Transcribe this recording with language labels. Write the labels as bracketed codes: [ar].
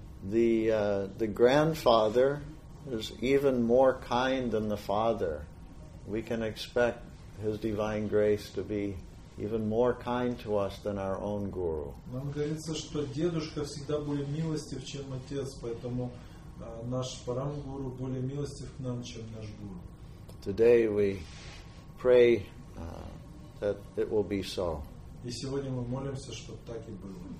[en] The grandfather is even more kind than the father. We can expect his divine grace to be even more kind to us than our own guru. [ru] Нам говорится, что дедушка всегда более милостив, чем отец, поэтому наш парамгуру более милостив к нам, чем наш гуру. [en] Today we pray that it will be so. [ru] И сегодня мы молимся, чтобы так и было.